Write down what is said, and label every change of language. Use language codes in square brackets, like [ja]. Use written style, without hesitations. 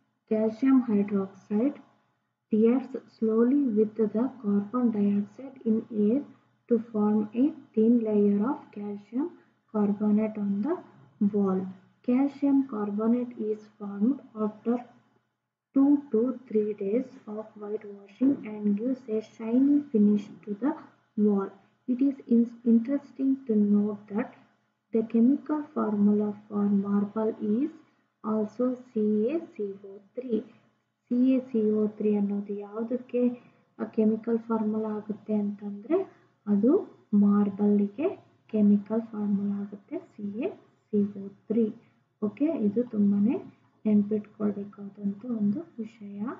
[en] Calcium hydroxide reacts slowly with the carbon dioxide in air to form a thin layer of calcium carbonate on the wall. Calcium carbonate is formed after 2 to 3 days of whitewashing and gives a shiny finish to the wall. It is interesting to note that the chemical formula for marble is also CaCO3. [kn] CaCO3 ಅನ್ನೋದು ಯಾವುದಕ್ಕೆ chemical formula ಆಗುತ್ತೆ ಅಂತಂದರೆ ಅದು ಮಾರ್ಬಲ್ಗೆ chemical formula ಆಗುತ್ತೆ, CaCO3. Okay, ಇದು ತುಂಬಾ ನೆನ್ಪಿಟ್ಕೊಳ್ಬೇಕಾದಂಥ ಒಂದು ವಿಷಯ.